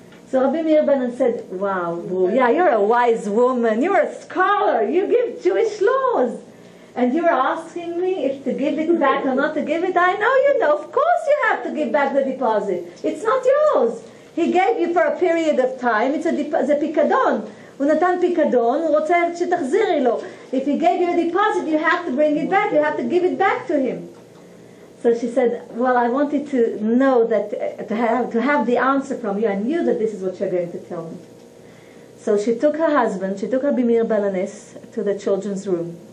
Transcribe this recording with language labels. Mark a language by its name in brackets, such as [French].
[English] So Rabbi Meir Baal Haness said, wow, yeah, you're a wise woman. You're a scholar. You give Jewish laws. And you're asking me if to give it back or not to give it. I know you know. Of course you have to give back the deposit. It's not yours. He gave you for a period of time. It's a pikadon. [Hebrew] הוא נתן פיקדון, הוא רוצה שתחזירי לו. [English] If he gave you a deposit, you have to bring it back, you have to give it back to him. So she said, well, I wanted to know that, to have the answer from you. I knew that this is what you're going to tell me. So she took her husband, she took her Bimir Balanes to the children's room.